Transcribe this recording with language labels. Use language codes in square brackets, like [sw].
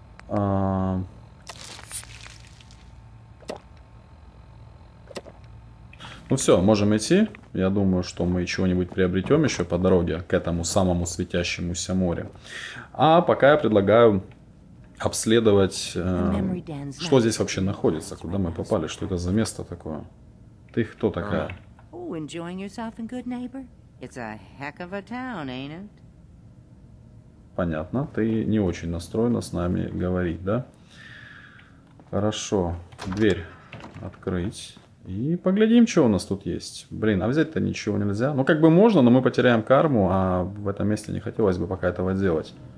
[ru] Ну все, можем идти. Я думаю, что мы чего-нибудь приобретем еще по дороге к этому самому светящемуся морю. А пока я предлагаю обследовать, что здесь вообще находится, куда мы попали, что это за место такое. Ты кто такая? [en] Oh, enjoying yourself in Good Neighbor? It's a heck of a town, ain't it? [ru] Понятно, ты не очень настроена с нами говорить, да? Хорошо, дверь открыть и поглядим, что у нас тут есть. Блин, а взять-то ничего нельзя. Ну, как бы можно, но мы потеряем карму, а в этом месте не хотелось бы пока этого делать.